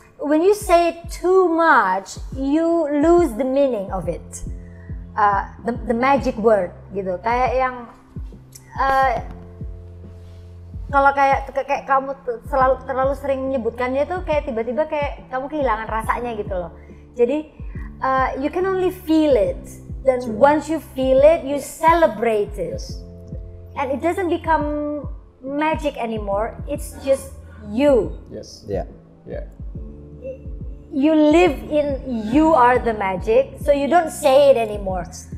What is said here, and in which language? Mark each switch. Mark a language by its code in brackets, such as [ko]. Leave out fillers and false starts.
[en] When you say too much, you lose the meaning of it. The magic word [id] gitu. Kayak yang kalau kayak kamu terlalu sering menyebutkannya tuh kayak tiba-tiba kayak kamu kehilangan rasanya gitu loh. Jadi [en] you can only feel it. Then once you feel it, you celebrate it. And it doesn't become magic anymore. It's just you. Yes. Yeah. Yeah. You live in, you are the magic, so you don't say it anymore.